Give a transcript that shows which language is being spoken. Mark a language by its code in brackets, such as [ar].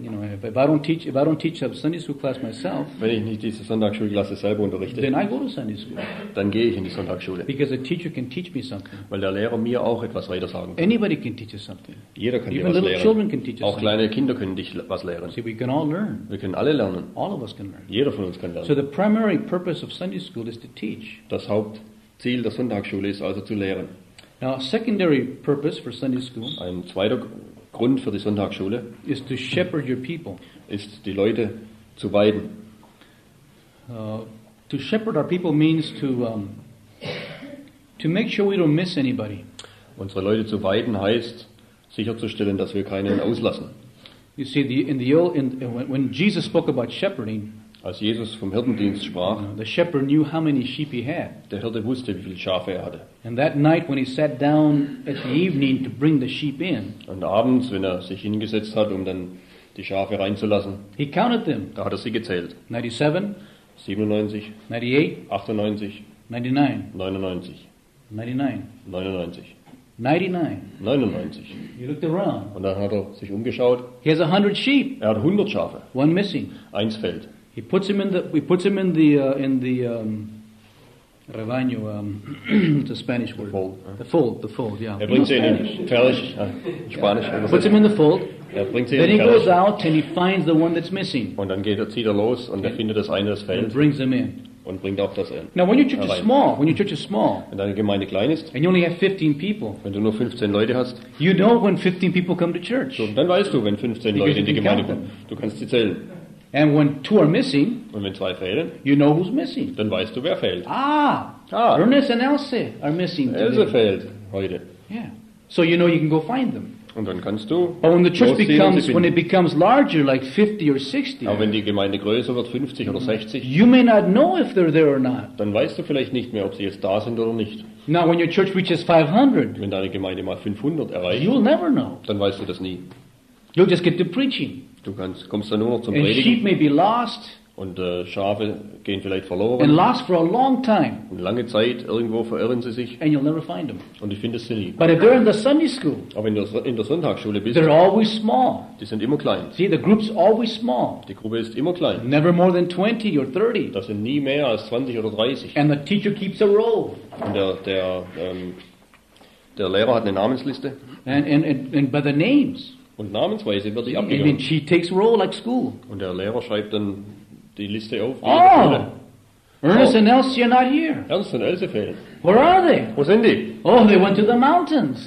[en] You know, if I don't teach a Sunday school class myself, [de] wenn ich nicht diese Sonntagsschulklasse selber unterrichte, [en] then I go to Sunday school. [de] Dann gehe ich in die Sonntagsschule. [en] Because a teacher can teach me something. [de] Weil der Lehrer mir auch etwas weitersagen kann. [en] Anybody can teach us something. [de] Jeder kann [en] even [de] dir was [en] little [de] lehren. [en] Children can teach us [de] auch [en] something. [de] Kleine Kinder können dich was lehren. [en] See, we can all learn. [de] Wir können alle lernen. [en] All of us can learn. [de] Jeder von uns kann lernen. [en] So the primary purpose of Sunday school is to teach. [de] Das Hauptziel der Sonntagsschule ist also zu lehren. [en] Now, a secondary purpose for Sunday school, [de] ein zweiter Grund für die Sonntagsschule, [en] is to shepherd your people. [de] Ist die Leute zu weiden. [en] To shepherd our people means to make sure we don't miss anybody. [de] Unsere Leute zu weiden heißt sicherzustellen, dass wir keinen auslassen. [en] You see, when Jesus spoke about shepherding, [de] als Jesus vom Hirtendienst sprach, [en] the shepherd knew how many sheep he had. [de] Der Hirte wusste, wie viele Schafe er hatte. [en] And that night when he sat down at the evening to bring the sheep in, [de] und abends, wenn er sich hingesetzt hat, um dann die Schafe reinzulassen, [en] he counted them. [de] Da hat er sie gezählt. 97, 97, 98, 98, 99, 99, 99, 99, [en] 99. He looked around. [de] Und dann hat er sich umgeschaut. [en] He has 100 sheep. [de] Er hat 100 Schafe. [en] One missing. [de] Eins fehlt. [en] He puts him in the. He puts him in the. Rebaño. It's a Spanish word. The fold. The fold. Yeah. [de] Er bringt ihn in Spanisch. Spanisch. [en] Yeah. Puts him in the fold. [de] Er bringt [en] then he goes out and he finds the one that's missing. [de] Und dann geht er, zieht er los und er findet das eine, das fehlt. [en] And brings him in. [de] Und bringt auch das in. [en] Now, when your church is small, [de] wenn deine Gemeinde klein ist, [en] and you only have 15 people, [de] wenn du nur 15 Leute hast, [en] you know when 15 people come to church. [de] So, dann weißt du, wenn 15 Leute in die Gemeinde kommen. Du kannst sie zählen. [en] And when two are missing, [de] und wenn zwei fehlen, [en] you know who's missing. [de] Dann weißt du, wer fehlt. [en] Ah, Ernest and Else are missing. Else today. [de] Fehlt heute. [en] Yeah. So you know you can go find them. [de] Und dann kannst du. [en] But when the church becomes, when it becomes larger, like 50 or 60. [de] Aber wenn die Gemeinde größer wird, 50 oder 60. [en] You may not know if they're there or not. [de] Dann weißt du vielleicht nicht mehr, ob sie jetzt da sind oder nicht. [en] Now, when your church reaches 500. [de] Wenn deine Gemeinde mal 500 erreicht. [en] You'll never know. [de] Dann weißt du das nie. [en] You'll just get to preaching. [de] Du kommst dann nur noch zum [en] and [de] Predigen. [en] Sheep may be lost. [de] Und Schafe gehen vielleicht verloren. [en] And lost for a long time. [de] Und lange Zeit irgendwo verirren sie sich. [en] And you'll never find them. [de] Und du findest sie nie. [en] But if they're in the Sunday school, [de] aber wenn du in der Sonntagsschule bist, [en] they're always small. [de] Die sind immer klein. [en] See, the group's always small. [de] Die Gruppe ist immer klein. [en] Never more than 20 or 30. [de] Das sind nie mehr als 20 oder 30. [en] And the teacher keeps a roll. [de] Und der Lehrer hat eine Namensliste. [en] And by the names. [de] Und namensweise wird sie abgegeben. [en] And she takes role like school. [de] Und der Lehrer schreibt dann die Liste auf. [en] Oh, Ernest and Elsie are not here. [de] Ernst und Elsie fehlen. [en] Where are they? [de] Wo sind die? [en] Oh, they went to the mountains.